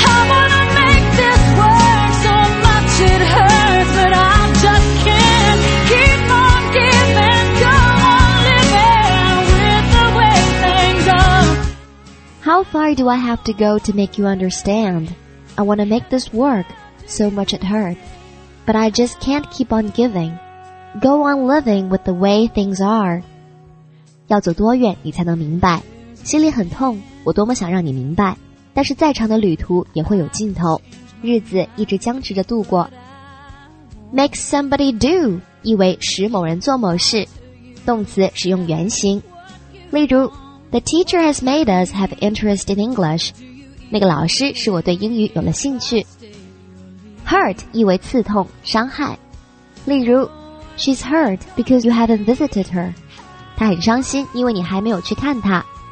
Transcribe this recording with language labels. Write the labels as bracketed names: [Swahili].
[English] I wanna make this work so much it hurts, but I just can't keep on giving, go on living with the way things are. How far do I have to go to make you understand? I want to make this work, so much it hurts. But I just can't keep on giving. Go on living with the way things are. [Chinese] 要走多远你才能明白？心里很痛，我多么想让你明白。但是再长的旅途也会有尽头，日子一直僵持着度过。 Make somebody do, 意为使某人做某事。动词使用原形。例如 [English] The teacher has made us have interest in English. [Chinese] 那个老师使我对英语有了兴趣。 Hurt 意为刺痛、伤害。例如 [English] She's hurt because you haven't visited her. [Chinese] 她很伤心因为你还没有去看她。